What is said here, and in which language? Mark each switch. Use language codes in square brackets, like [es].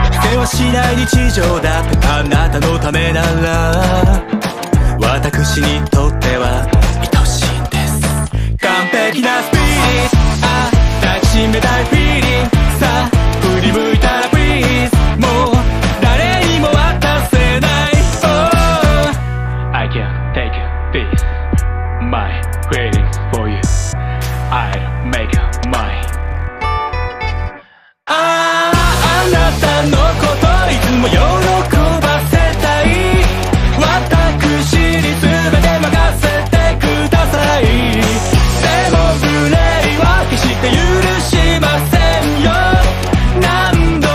[ja] せわしない日常だってあなたのためなら、私にとっては愛しいんです。完璧なスピリッツ、抱きしめたいフィーリング、さあ振り向いたらプリーズ、もう誰にも渡せない。 [en] Oh, I can take this my feelings for you、 I'll make mine。 [ja] あなたのこといつも喜ばせたい。私に全て任せてください。でも無礼は決して許しませんよ。何